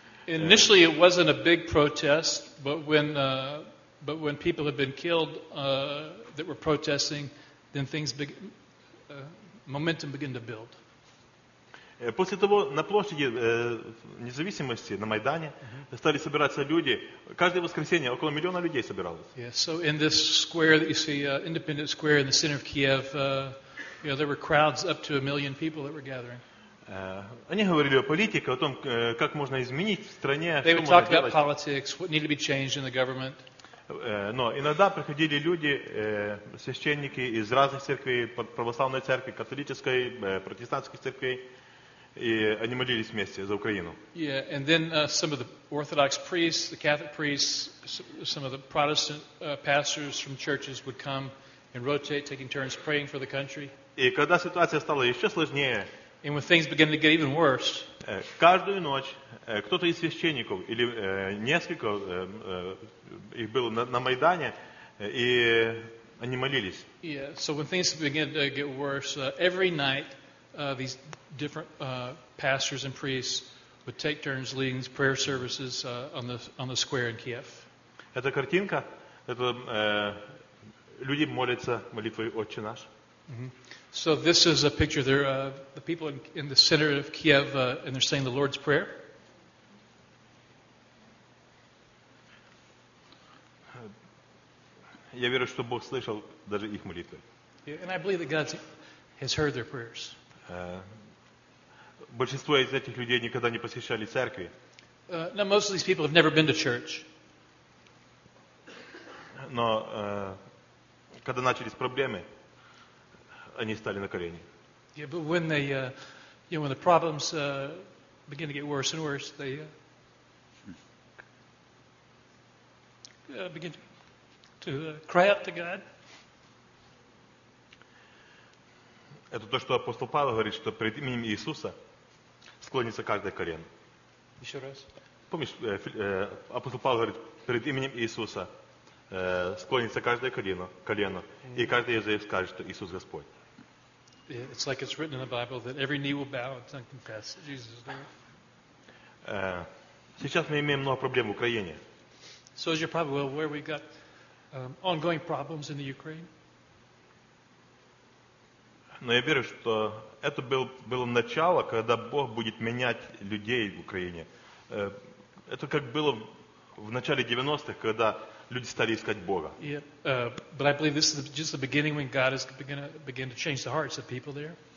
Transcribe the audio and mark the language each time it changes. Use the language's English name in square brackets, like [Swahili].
[English] Initially it wasn't a big protest, but when people had been killed that were protesting, then momentum began to build. [Ukrainian] Після того на площаді Незалежності, на Майдані, стали збиратися люди. Кожне воскресіння около мільйона людей збиралося. [English] Yes, so in this square that you see, Independence Square in the center of Kiev, you know, there were crowds up to a million people that were gathering. [Ukrainian] Вони говорили о політиці, о тому, як можна змінити в країні, що можна зробити. [English] They would talk about politics, what needed to be changed in the government. [Ukrainian] Но іноді приходили люди, священники із різних церкви, православної церкви, католицької, протестантської церкви, і вони молились вместе за Україну. [English] Yeah, and then some of the Orthodox priests, the Catholic priests, some of the Protestant pastors from churches would come and rotate, taking turns praying for the country. [Ukrainian] І коли ситуація стала ще складніше, [English] and when things began to get even worse, [Ukrainian] кожну ніч хтось із священників, або кілька їх було на Майдані, і вони молились. [English] Yeah, so when things began to get worse, every night, these different pastors and priests would take turns leading these prayer services on the square in Kiev. [Ukrainian] Ця картинка, це люди моляться молитвою Отче наш. [English] So this is a picture. There, the people in the center of Kiev, and they're saying the Lord's Prayer. [Ukrainian] Я вірю, що Бог слухав даже їх молитви. [English] And I believe that God has heard their prayers. [Ukrainian] Більшість із цих людей ніколи не посещали церкви. [English] Now most of these people have never been to church. [Ukrainian] Но коли начались проблеми, вони стали на колені. [English] Yeah, but when they, when the problems begin to get worse and worse, they begin to cry out to God. [Russian] Это то, что апостол Павел говорит, что перед именем Иисуса склонится каждое колено. Еще раз. Помнишь, апостол Павел говорит, перед именем Иисуса склонится каждое колено, и каждый язык скажет, что Иисус Господь. [English] It's like it's written in the Bible that every knee will bow and tongue confess that Jesus is Lord. [Russian] Сейчас мы имеем много проблем в Украине. [English] So as you're probably well aware, we've got ongoing problems in the Ukraine. [Russian] Но я верю, что это было начало, когда Бог будет менять людей в Украине. Это как было в начале 90-х, когда люди стали искать Бога. [English] Yeah, but I believe this is just the beginning when God is begin to change the hearts of people there.